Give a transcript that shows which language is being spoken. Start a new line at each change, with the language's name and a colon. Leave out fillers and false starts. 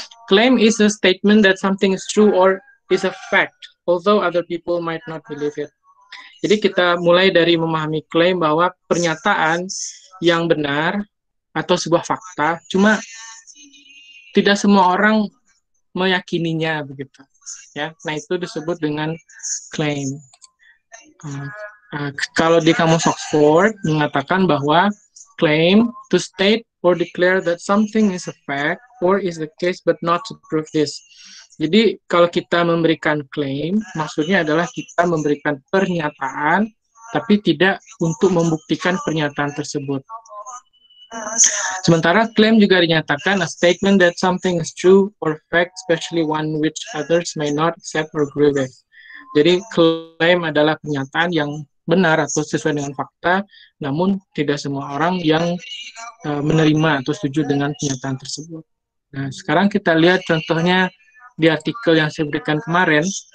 English: Claim is a statement that something is true or is a fact, although other people might not believe it.
Indonesian: Jadi kita mulai dari memahami claim bahwa pernyataan yang benar atau sebuah fakta, cuma tidak semua orang meyakininya begitu. Ya, nah itu disebut dengan claim. Kalau di kamus Oxford mengatakan bahwa
English: claim to state or declare that something is a fact or is the case but not to prove this.
Indonesian: Jadi kalau kita memberikan claim, maksudnya adalah kita memberikan pernyataan tapi tidak untuk membuktikan pernyataan tersebut. Sementara claim juga dinyatakan
English: a statement that something is true or fact, especially one which others may not accept or agree with.
Indonesian: Jadi claim adalah pernyataan yang benar atau sesuai dengan fakta, namun tidak semua orang yang menerima atau setuju dengan pernyataan tersebut. Nah, sekarang kita lihat contohnya di artikel yang saya berikan kemarin.